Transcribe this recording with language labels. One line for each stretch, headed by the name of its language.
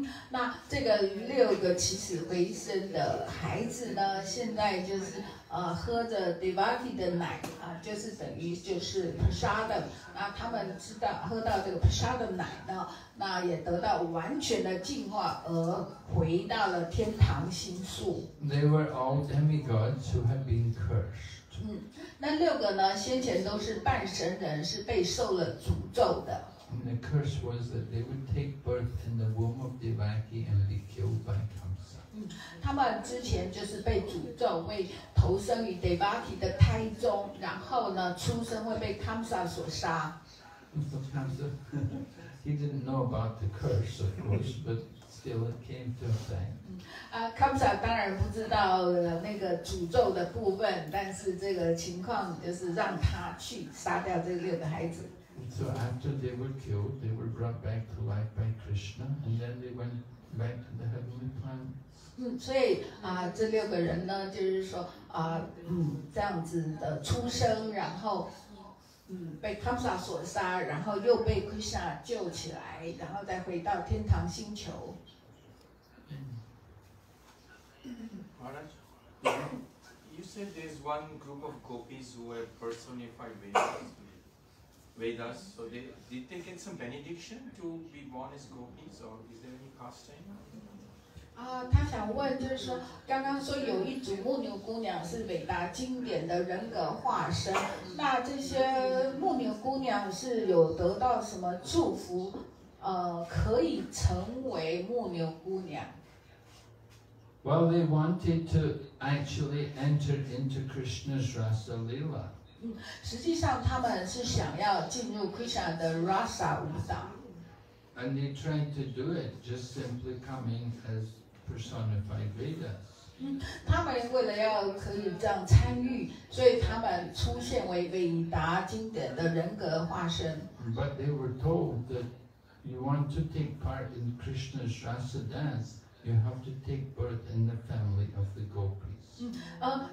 Chinese: 那这个六个起死回生的孩子呢，现在就是喝着 Devaki 的奶啊，就是等于就是 prasadam。那他们知道喝到这个 prasadam 奶呢，那也得到完全的净化，而回到了天堂星宿。
English: They were all demigods who had been cursed.
Chinese: 那六个呢，先前都是半神人，是被受了诅咒的。
English: And the curse was that they would take birth in the womb of Devaki and be killed by Kamsa.
Chinese: 他们之前就是被诅咒，会投生于 Devaki 的胎中，然后呢，出生会被 Kamsa 所杀。
English: So Kamsa, he didn't know about the curse, of course, but still it came to effect.
Chinese: Kamsa 当然不知道那个诅咒的部分，但是这个情况就是让他去杀掉这六个孩子。
English: So after they were killed, they were brought back to life by Krishna, and then they went back to the heavenly planet.
Chinese: 所以这六个人呢，就是说这样子的出生，然后被 Kamsa 所杀，然后又被 Krishna 救起来，然后再回到天堂星球。
English: Maharaj, you said there's one group of gopis who were personified by Krishna. Vedas, so did they get some benediction to be born as gopis, or is there any pastime?
Chinese: 他想问就是说刚刚说有一组牧牛姑娘是伟大经典的人格化身，那这些牧牛姑娘是有得到什么祝福可以成为牧牛姑娘？
English: Well, they wanted to actually enter into Krishna's Rasa Lila.
Chinese: 实际上他们是想要进入 Krishna 的 Rasa 舞蹈。
English: And they tried to do it just simply coming as personified Vedas.
Chinese: 他们为了要可以这样参与，所以他们出现为韦达经典的人格化身。
English: But they were told that you want to take part in Krishna's Rasa dance, you have to take birth in the family of the gopis.